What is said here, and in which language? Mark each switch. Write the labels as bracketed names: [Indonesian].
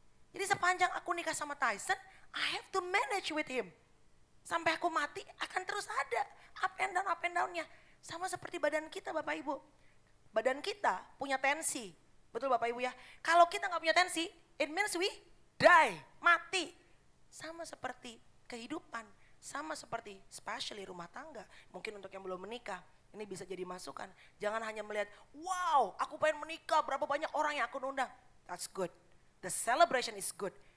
[Indonesian] Jadi sepanjang aku nikah sama Tyson, [English] I have to manage with him. [Indonesian] Sampai aku mati akan terus ada up and down-nya. Sama seperti badan kita Bapak Ibu. Badan kita punya tensi. Betul Bapak Ibu ya? Kalau kita gak punya tensi, [English] it means we die, [Indonesian] mati. Sama seperti kehidupan, sama seperti especially rumah tangga. Mungkin untuk yang belum menikah, ini bisa jadi masukan. Jangan hanya melihat, wow aku pengen menikah, berapa banyak orang yang aku undang. [English] That's good, the celebration is good.